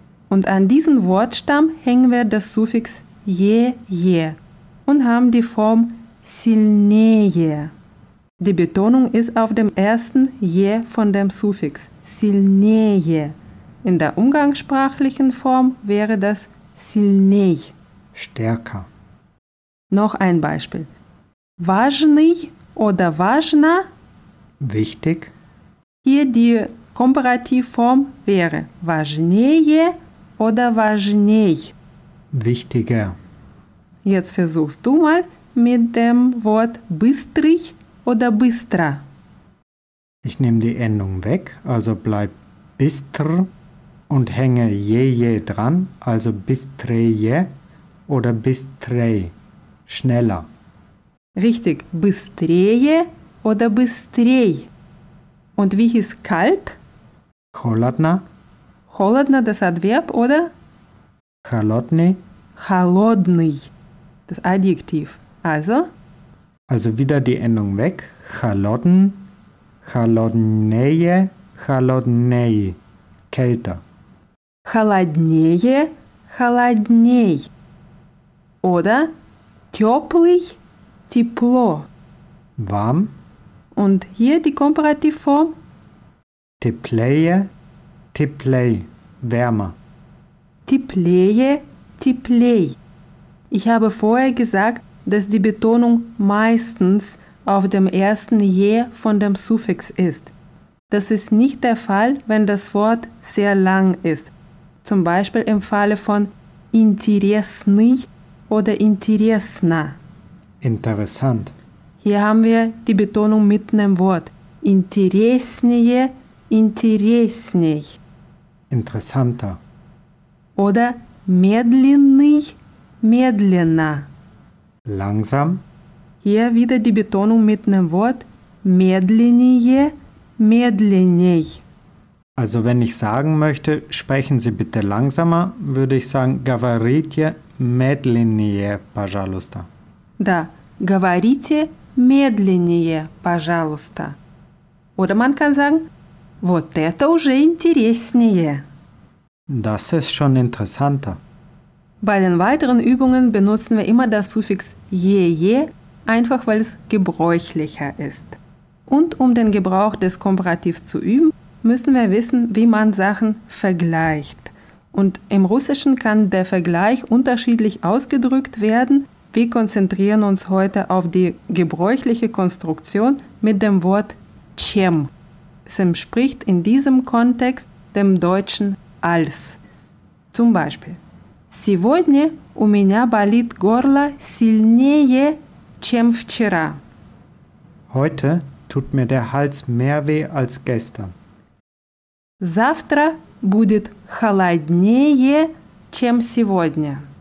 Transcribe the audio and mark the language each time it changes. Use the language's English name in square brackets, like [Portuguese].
[German] Und an diesen Wortstamm hängen wir das Suffix je, je und haben die Form сильнее. Die Betonung ist auf dem ersten je von dem Suffix сильнее. In der umgangssprachlichen Form wäre das сильней. Stärker. Noch ein Beispiel. [Russian] Важный oder важна? [German] Wichtig. Hier die Komparativform wäre важнее oder важней. Wichtiger. Jetzt versuchst du mal mit dem Wort быстрый oder быстро. Ich nehme die Endung weg, also bleibt быстр und hänge je dran, also быстрее oder быстрей, schneller. Richtig, быстрее oder быстрей. Und wie hieß kalt? [Russian] Холодно. [German] Холодно, das Adverb, oder? [Russian] Холодный. [German] Холодный, das Adjektiv. Also? Also wieder die Endung weg. Холоден, холоднее, холоднее, kälter. [Russian] Холоднее, холодней. Oder теплый, тепло. [German] Warm. Und hier die Komparativform. [Russian] Теплее, теплей, wärmer. Теплее, теплей. [German] Ich habe vorher gesagt, dass die Betonung meistens auf dem ersten Je von dem Suffix ist. Das ist nicht der Fall, wenn das Wort sehr lang ist. Zum Beispiel im Falle von интересный oder интересна. Interessant. Hier haben wir die Betonung mitten im Wort. [Russian] Интереснее, интересней. [German] Interessanter. [Russian] Oder медленный, медленно. [German] Langsam. Hier wieder die Betonung mitten im Wort. [Russian] Медленнее, медленней. [German] Also wenn ich sagen möchte, sprechen Sie bitte langsamer, würde ich sagen, [Russian] говорите медленнее, пожалуйста. Да, говорите медленнее, пожалуйста. [German] Oder man kann sagen, [Russian] вот это уже интереснее. [German] Das ist schon interessanter. Bei den weiteren Übungen benutzen wir immer das Suffix je, je, einfach weil es gebräuchlicher ist. Und um den Gebrauch des Komparativs zu üben, müssen wir wissen, wie man Sachen vergleicht. Und im Russischen kann der Vergleich unterschiedlich ausgedrückt werden. Wir konzentrieren uns heute auf die gebräuchliche Konstruktion mit dem Wort чем. Es entspricht in diesem Kontext dem deutschen als. Zum Beispiel: [Russian] Сегодня у меня болит горло сильнее, чем вчера. [German] Heute tut mir der Hals mehr weh als gestern. [Russian] Завтра будет холоднее, чем сегодня.